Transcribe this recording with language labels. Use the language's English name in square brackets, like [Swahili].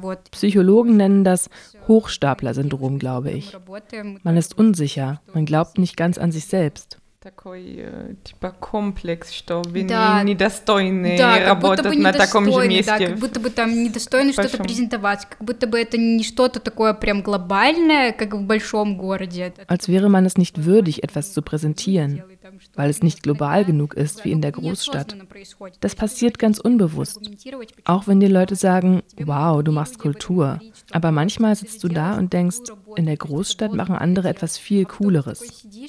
[German] Psychologen nennen das Hochstapler-Syndrom, glaube ich. Man ist unsicher, man glaubt nicht ganz an sich selbst. [Russian] Такой типа комплекс, что вы недостойны работать на таком же месте. Да, как будто бы там недостойны что-то презентовать, как будто бы это не что-то такое прям глобальное, как в большом городе. [German] Als wäre man es nicht würdig, etwas zu präsentieren, weil es nicht global genug ist wie in der Großstadt. Das passiert ganz unbewusst. Auch wenn die Leute sagen, wow, du machst Kultur. Aber manchmal sitzt du da und denkst, in der Großstadt machen andere etwas viel Cooleres.